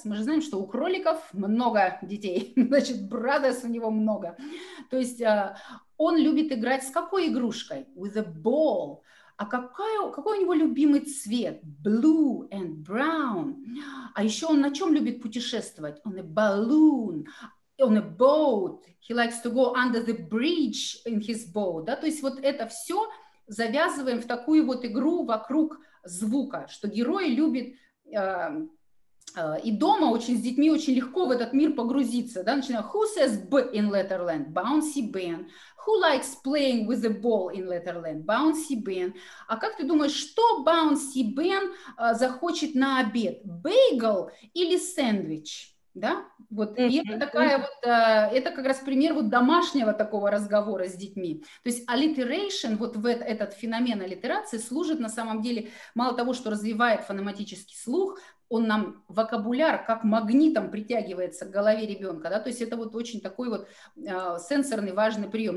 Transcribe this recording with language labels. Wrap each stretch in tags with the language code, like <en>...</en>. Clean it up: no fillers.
<ru>Мы же знаем, что у кроликов много детей, значит, brothers у него много. То есть он любит играть с какой игрушкой?</ru> <en>With a ball.</en> <ru>А какой у него любимый цвет?</ru> <en>Blue and brown.</en> <ru>А еще он на чем любит путешествовать?</ru> <en>On a balloon. On a boat. He likes to go under the bridge in his boat.</en> <ru>Да? То есть вот это все завязываем в такую вот игру вокруг звука, что герой любит и дома очень с детьми очень легко в этот мир погрузиться, да, начиная,</ru> <en>who says b in Letterland? Bouncy Ben. Who likes playing with a ball in Letterland? Bouncy Ben.</en> <ru>А как ты думаешь, что Bouncy Ben захочет на обед? Bagel или сэндвич? Да, вот, и это такая вот, это как раз пример вот домашнего такого разговора с детьми. То есть аллитерейшн, вот в этот феномен аллитерации служит на самом деле, мало того, что развивает фонематический слух, он нам вокабуляр как магнитом притягивается к голове ребенка, да, то есть это вот очень такой вот сенсорный важный прием.</ru>